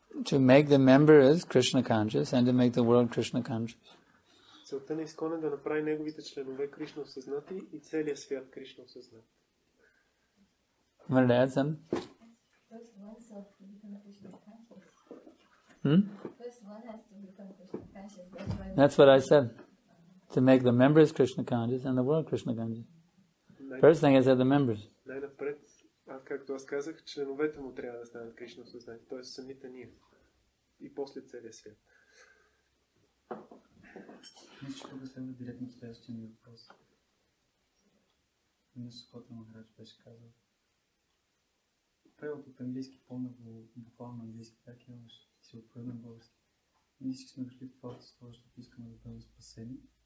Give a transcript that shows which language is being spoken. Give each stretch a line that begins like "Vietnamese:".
English: To make the members Krishna conscious and to make the world Krishna conscious. So then
Bulgarian: ISKCON да направи неговите членове Кришна осъзнати и целия свят Кришна осъзнат.
English: Want to add some? That's what I said. To make the members Krishna conscious and the world Krishna conscious. First thing is that the members.
Bulgarian: Най-напред, както аз казах, членовете му трябва да станат Кришна осъзнати, т.е. самите ние. И после целия свят. Мисля, че тук следва директно следващия ми въпрос. Мисля, че Сухотра Махарадж беше казал. Превод от английски, по-много буквално английски, как имаш си отпоред на български. Ние всички сме дошли в това, защото искаме да бъдем спасени.